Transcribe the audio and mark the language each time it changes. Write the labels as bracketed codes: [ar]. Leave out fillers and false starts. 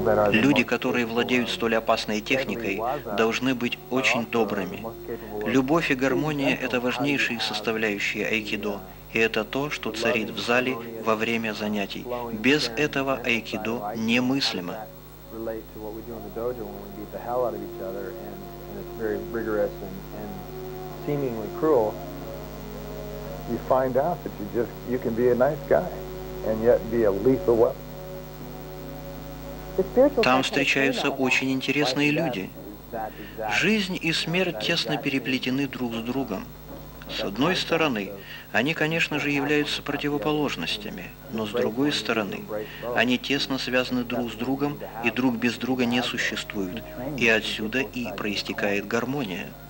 [ru] Люди, которые владеют столь опасной техникой, должны быть очень добрыми. Любовь и гармония – это важнейшие составляющие айкидо, и это то, что царит в зале во время занятий. Без этого айкидо немыслимо. [en] Relate to what we do in the dojo when we beat the hell out of each other, and it's very rigorous and seemingly cruel. You find out that you can be a nice guy and yet be a lethal weapon. [ru] Там встречаются очень интересные люди. Жизнь и смерть тесно переплетены друг с другом. С одной стороны, они, конечно же, являются противоположностями, но с другой стороны, они тесно связаны друг с другом, и друг без друга не существует, и отсюда и проистекает гармония.